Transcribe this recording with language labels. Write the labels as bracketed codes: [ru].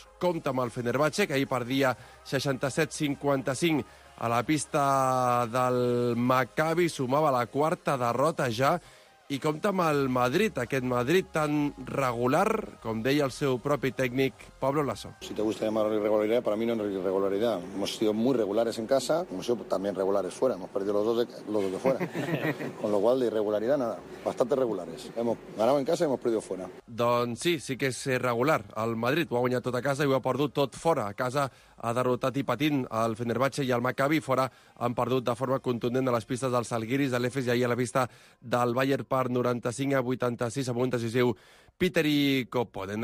[ca] Compta amb el Fenerbahçe, que ahir perdia 67-55 a la pista del Maccabi, sumava la quarta derrota ja. I compta amb el Madrid, aquest Madrid tan regular, com deia el seu propi tècnic, Pablo Laso. [es] Si te gusta llamar irregularidad, para mí no es irregularidad. Hemos sido muy regulares en casa, hemos sido también regulares fuera. Hemos perdido los dos de fuera. Con lo cual, de irregularidad, nada. Bastante regulares. Hemos ganado en casa y hemos perdido fuera. [ca] Doncs sí, sí que és regular. El Madrid ho ha guanyat tot a casa i ho ha perdut tot fora. A casa ha derrotat i patint el Fenerbahçe i el Maccabi. Fora han perdut de forma contundent a les pistes dels Salguiris, de l'Efes i ahir a la pista del Bayern per 95-86 amb un decisiu Peter i Koponen.